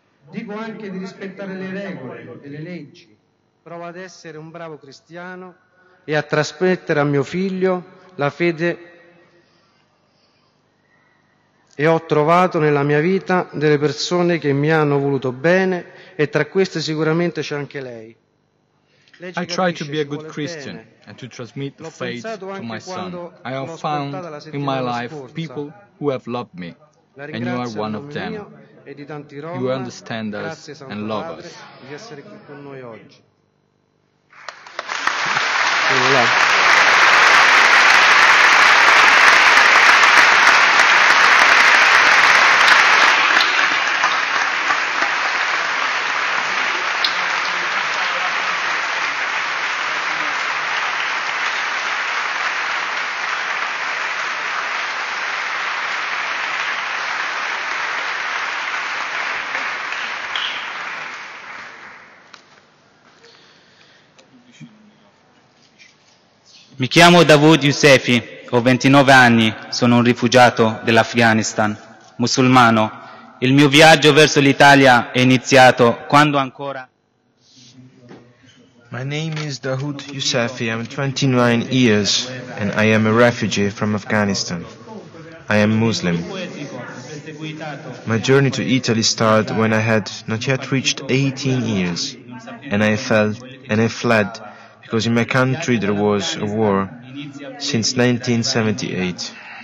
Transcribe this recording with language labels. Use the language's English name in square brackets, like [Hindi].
[Italian] Dico anche di rispettare le regole e le leggi. Prova ad essere un bravo cristiano e a trasmettere a mio figlio la fede e ho trovato nella mia vita delle persone che mi hanno voluto bene e tra queste sicuramente c'è anche lei. [English] I try to be a good Christian and to transmit the faith to my son. I have found in my life people who have loved me and you are one of them. You understand us and love us. [Italian] Grazie, Mi chiamo Davud Yusefi, ho 29 anni, sono un rifugiato dell'Afghanistan, musulmano. Il mio viaggio verso l'Italia è iniziato quando ancora... [English] My name is Davud Yusefi, I'm 29 years and I am a refugee from Afghanistan. I am Muslim. My journey to Italy started when I had not yet reached 18 years and I fled because in my country there was a war since 1978.